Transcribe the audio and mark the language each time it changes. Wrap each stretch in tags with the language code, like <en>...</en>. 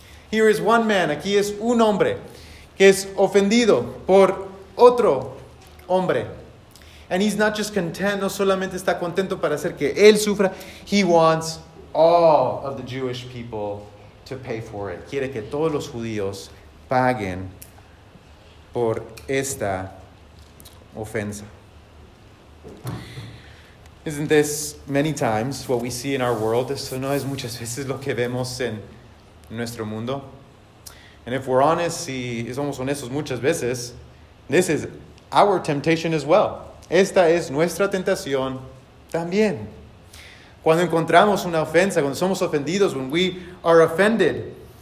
<en>Here is one man,</en> <es>aquí es un hombre, que es ofendido por otro hombre.</es> <en>And he's not just content,</en> <es>no solamente está contento para hacer que él sufra.</es> <en>He wants all of the Jewish people to pay for it.</en> <es>Quiere que todos los judíos paguen por esta ofensa.</es> <en>Isn't this many times what we see in our world?</en> <es>Esto no es muchas veces lo que vemos en nuestro mundo.</es> <en>And if we're honest,</en> <es>si somos honestos muchas veces,</es> <en>this is our temptation as well.</en> <es>Esta es nuestra tentación también. Cuando encontramos una ofensa, cuando somos ofendidos,</es> <en>when we are offended,</en>